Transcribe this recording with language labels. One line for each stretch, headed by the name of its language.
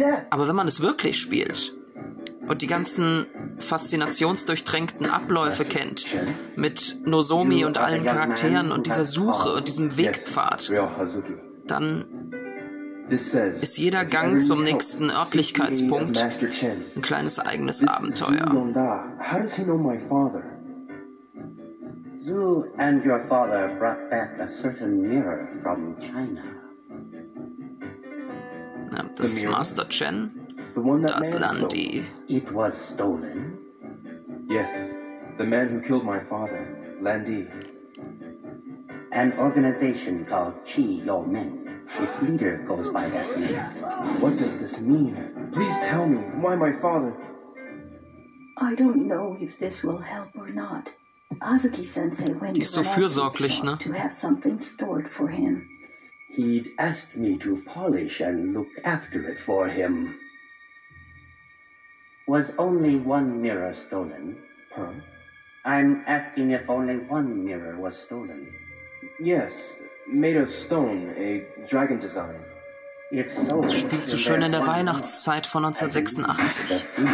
German: Aber wenn man es wirklich spielt und die ganzen faszinationsdurchtränkten Abläufe kennt, mit Nozomi und allen Charakteren und dieser Suche und diesem Wegpfad, dann ist jeder Gang zum nächsten Örtlichkeitspunkt ein kleines eigenes Abenteuer.
English: Zhu and your father brought back a certain mirror from China.
German: Ja, das ist Master Chen. Das Landi.
English: It was stolen. Yes, the man who killed my father, Landi. An organization called Qi Yo Meng. Its leader goes by that name. What does this mean? Please tell me, why my father? I don't know if this will help or not. Azuki-sensei went
German: so fürsorglich, ne?
English: To have something stored for him. He'd asked me to polish and look after it for him. Was only one mirror stolen? Huh? I'm asking if only one mirror was stolen. Yes, made of stone, a dragon design. If so,
German: das spielt so schön in der Weihnachtszeit von 1986.